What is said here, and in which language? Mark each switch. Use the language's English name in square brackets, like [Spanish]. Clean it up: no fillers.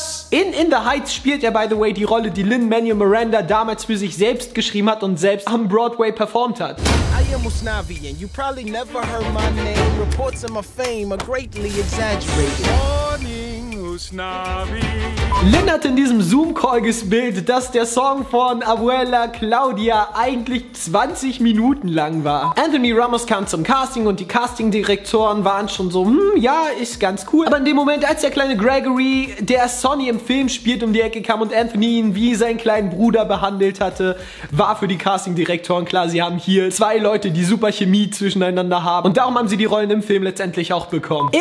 [German] In the Heights spielt er, [English] by the way, [German] die Rolle, die Lin-Manuel Miranda damals für sich selbst geschrieben hat und selbst am Broadway performt hat. [English] I am Usnavi and you probably never heard my name. Reports of my fame are greatly exaggerated. Morning, Usnavi. [German] Lin hat in diesem Zoom-Call gespielt, dass der Song von Abuela Claudia eigentlich 20 Minuten lang war. Anthony Ramos kam zum Casting und die Casting-Direktoren waren schon so, ja, ist ganz cool. Aber in dem Moment, als der kleine Gregory, der Sonny im Film spielt, um die Ecke kam und Anthony ihn wie seinen kleinen Bruder behandelt hatte, war für die Casting-Direktoren klar, sie haben hier zwei Leute, die super Chemie zwischeneinander haben. Und darum haben sie die Rollen im Film letztendlich auch bekommen.